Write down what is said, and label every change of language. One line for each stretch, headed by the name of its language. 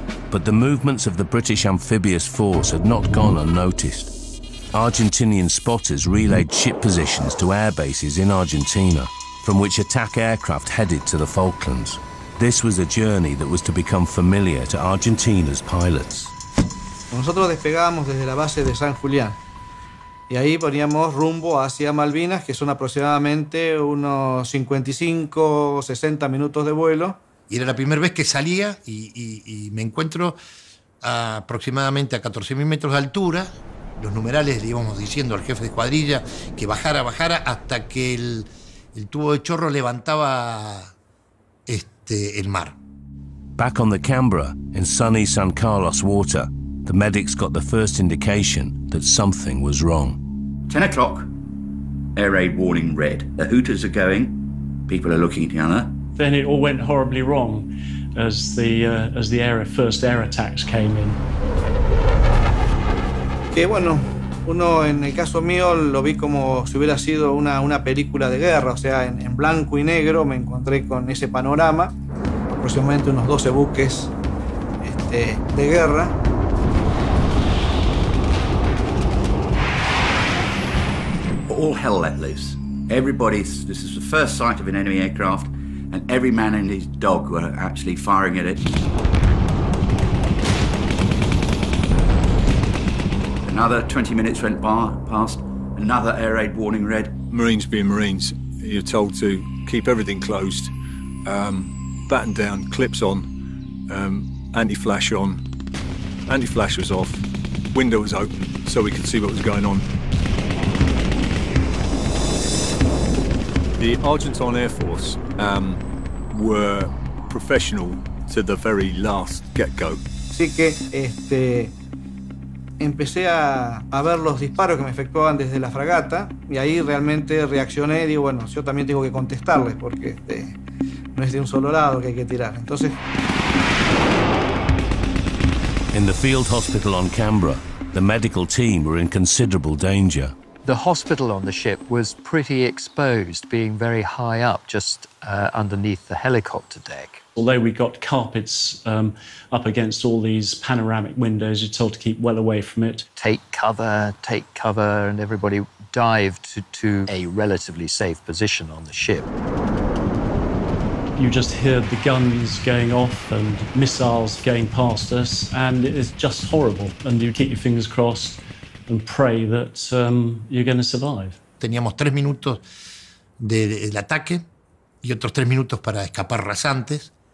English: But the movements of the British amphibious force had not gone unnoticed. Argentinian spotters relayed ship positions to air bases in Argentina, from which attack aircraft headed to the Falklands. This was a journey that was to become familiar to Argentina's pilots.
Spanish: Nosotros despegábamos desde la base de San Julián y ahí poníamos rumbo hacia Malvinas, que son aproximadamente unos 55-60 minutos de vuelo. Y era la primera vez que salía y me encuentro a aproximadamente a 14.000 metros de altura. Los numerales le íbamos diciendo al jefe de cuadrilla que bajara hasta que el tubo de chorro levantaba el mar.
English: Back on the Canberra, in sunny San Carlos water, the medics got the first indication that something was wrong. 10 o'clock, air raid warning red. The hooters are going, people are looking at each other. Then it all went horribly wrong as the first air attacks came in.
Spanish: Que bueno, uno en el caso mío lo vi como si hubiera sido una película de guerra, o sea, en blanco y negro me encontré con ese panorama, aproximadamente unos 12 buques de guerra.
English: All hell let loose. This is the first sight of an enemy aircraft, and every man and his dog were actually firing at it. Another 20 minutes went past, another air raid warning red. Marines being Marines, you're told to keep everything closed, batten down, clips on, anti-flash on. Anti-flash was off, window was open, so we could see what was going on. The Argentine Air Force were professional to the very last get-go.
Spanish: Así que empecé a ver los disparos que me efectuaban desde la fragata y ahí realmente reaccioné y digo, bueno, yo también tengo que contestarles porque no es de un solo lado que hay que tirar. Entonces.
English: In the field hospital on Canberra, the medical team were in considerable danger. The hospital on the ship was pretty exposed, being very high up, just underneath the helicopter deck. Although we got carpets up against all these panoramic windows, you're told to keep well away from it. Take cover, and everybody dived to a relatively safe position on the ship. You just hear the guns going off and missiles going past us, and it is just horrible, and you keep your fingers crossed and pray that you're going to survive.
Spanish: Teníamos 3 minutos del ataque y otros 3 minutos para escapar rasantes.